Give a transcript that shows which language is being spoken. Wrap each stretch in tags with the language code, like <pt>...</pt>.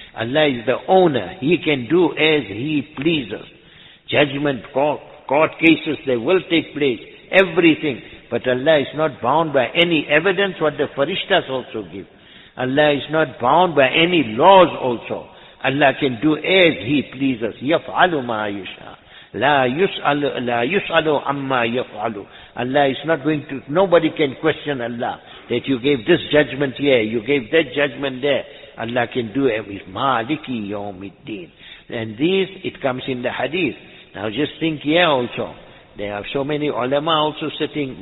<en>Allah is the owner. He can do as he pleases. Judgment, court cases, they will take place. Everything. But Allah is not bound by any evidence what the farishtas also give. Allah is not bound by any laws also. Allah can do as he pleases.</en> <ar>يَفْعَلُ مَا يَشَاءُ لا يسأل عما يفعل.</ar> <en>Allah is not going to, nobody can question Allah that you gave this judgment here, you gave that judgment there. Allah can do everything. Maliki Yawmiddin. And this, it comes in the hadith. Now just think here also. There are so many ulama also sitting.</en>